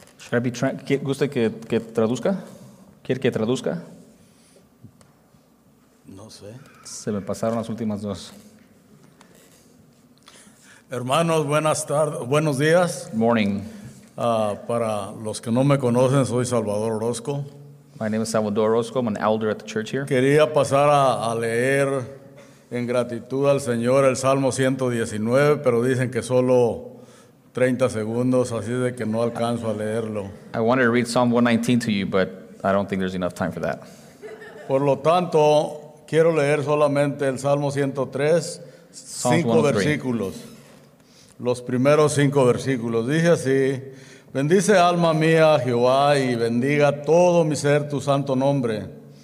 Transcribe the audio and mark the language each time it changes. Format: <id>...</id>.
<es>Rabbi Trank, ¿gusta que traduzca? ¿Quiere que traduzca? No sé. Se me pasaron las últimas dos. Hermanos, buenas tardes, buenos días.</es> <en>Morning.</en> <es>Para los que no me conocen, soy Salvador Orozco.</es> <en>My name is Salvador Orozco. I'm an elder at the church here.</en> <es>Quería pasar a leer en gratitud al Señor el Salmo 119, pero dicen que solo 30 segundos, así de que no alcanzo a leerlo.</es> <en>I wanted to read Psalm 119 to you, but I don't think there's enough time for that.</en> <es>Por lo tanto, quiero leer solamente el Salmo 103, cinco versículos. Los primeros cinco versículos. Dice así: Bendice alma mía, Jehová, y bendiga todo mi ser tu santo nombre.</es>